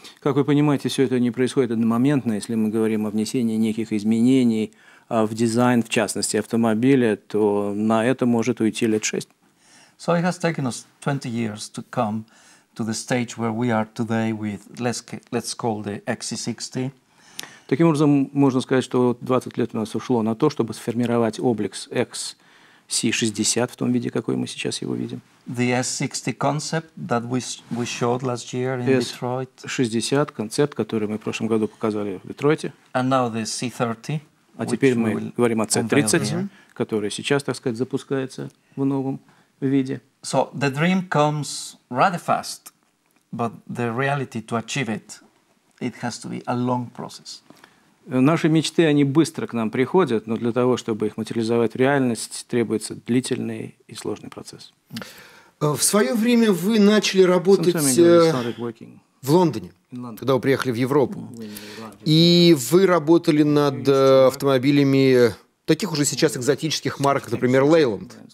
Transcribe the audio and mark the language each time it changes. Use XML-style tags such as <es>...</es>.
<ru>Как вы понимаете, все это не происходит одномоментно. Если мы говорим о внесении неких изменений в дизайн, в частности, автомобиля, то на это может уйти лет 6.</ru> <en>So it has taken us 20 years to come to the stage where we are today with, let's call, the XC60.</en> <ru>Таким образом, можно сказать, что 20 лет у нас ушло на то, чтобы сформировать облик XC60 в том виде, какой мы сейчас его видим.</ru> <en>The S60 concept that we showed last year in Detroit.</en> <ru>S60 концепт, который мы в прошлом году показали в Детройте.</ru> <en>And now the C30.</en> <ru>А теперь мы говорим о C30, который сейчас, так сказать, запускается в новом виде.</ru> <en>So the dream comes rather fast, but the reality to achieve it, it has to be a long process.</en> <ru>Наши мечты, они быстро к нам приходят, но для того, чтобы их материализовать в реальность, требуется длительный и сложный процесс. В свое время вы начали работать в Лондоне, когда вы приехали в Европу. И вы работали над автомобилями таких уже сейчас экзотических марок, например, Leyland.</ru>